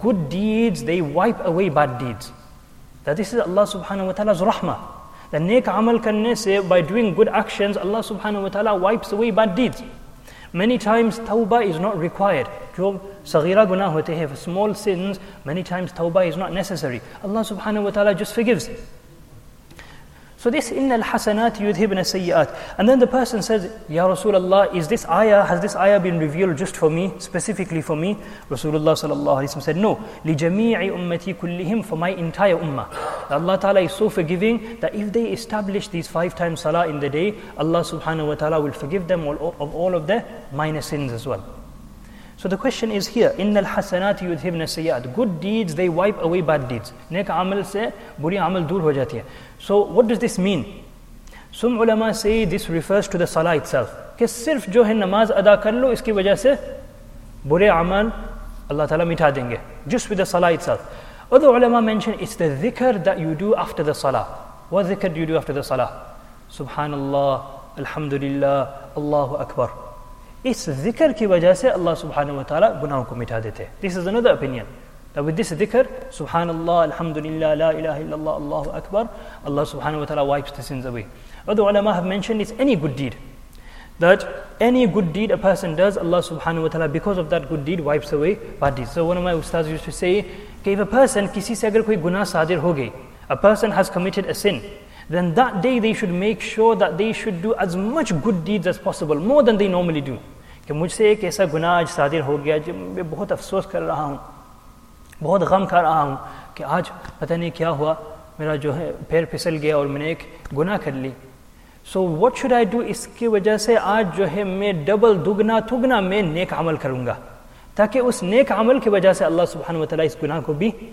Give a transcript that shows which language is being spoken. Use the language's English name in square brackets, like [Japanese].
[English] Good deeds, they wipe away bad deeds. That this is Allah subhanahu wa ta'ala's rahmah. The [Urdu] nek amal kanne say, [English] by doing good actions, Allah subhanahu wa ta'ala wipes away bad deeds. Many times tawbah is not required. [Urdu] Jo saghira guna hote hai, [English] small sins, many times tawbah is not necessary. Allah subhanahu wa ta'ala just forgives. So this [Arabic] إِنَّ الْحَسَنَاتِ يُذْهِبْنَ السَّيِّئَاتِ. [English] And then the person says, Ya Rasulullah, is this ayah, has this ayah been revealed just for me, specifically for me? Rasulullah sallallahu alayhi wa sallam said, no, [Arabic] لِجَمِيعِ أُمَّتِي كُلِّهِمْ, [English] for my entire ummah. Allah Ta'ala is so forgiving that if they establish these five times salah in the day, Allah subhanahu wa ta'ala will forgive them of all of their minor sins as well. So the question is here, [Arabic] إِنَّ الْحَسَنَاتِ يُذْهِبْنَ السَّيِّئَاتِ. [English] Good deeds, they wipe away bad deeds. [Urdu] نیک عمل سے بری عمل دور ہو جاتی ہے. [English] So what does this mean? Some ulama say this refers to the salah itself. [Urdu] کہ صرف جو ہے نماز ادا کر لو, اس کی وجہ سے برے عمل اللہ تعالیٰ مٹھا دیں گے. [English] Just with the salah itself. Other ulama mention it's the dhikr that you do after the salah. What dhikr do you do after the salah? Subhanallah, Alhamdulillah, Allahu Akbar. [Urdu] اس ذکر کی وجہ سے اللہ سبحانہ وتعالی گناہوں کو مٹھا دیتے. [English] This is another opinion. Now with this dhikr, Subhanallah, Alhamdulillah, La ilaha illallah, Allahu Akbar, Allah subhanahu wa ta'ala wipes the sins away. Other ulama have mentioned it's any good deed. That any good deed a person does, Allah subhanahu wa ta'ala, because of that good deed, wipes away bad deeds. So one of my ustaz used to say, if a person, [Urdu] kisi se agar koi guna sadir ho gay, [English] a person has committed a sin, then that day they should make sure that they should do as much good deeds as possible, more than they normally do. [Urdu] کہ مجھ سے ایک ایسا گناہ آج صادر ہو گیا جو میں بہت افسوس کر رہا ہوں بہت غم کر رہا ہوں کہ آج پتہ نہیں کیا ہوا میرا جو ہے پیر پھسل گیا اور میں نے ایک گناہ کر لی [English] so what should I do [Urdu] اس کی وجہ سے آج جو ہے میں ڈبل دگنا تگنا میں نیک عمل کروں گا تاکہ اس نیک عمل کی وجہ سے اللہ سبحانہ وتعالی اس گناہ کو بھی